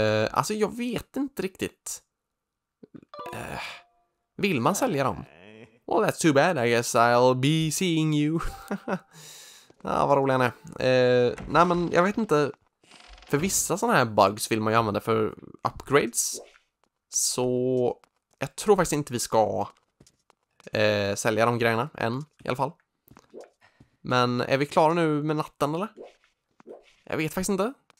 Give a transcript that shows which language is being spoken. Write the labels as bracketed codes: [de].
[sv] Alltså jag vet inte riktigt. Vill man sälja dem? [en] Well, that's too bad. I guess I'll be seeing you. [sv] vad rolig han är. Nej, men jag vet inte. För vissa sådana här bugs vill man ju använda för upgrades. Så jag tror faktiskt inte vi ska sälja de grejerna än, i alla fall. Men är vi klara nu med natten, eller? Jag vet faktiskt inte.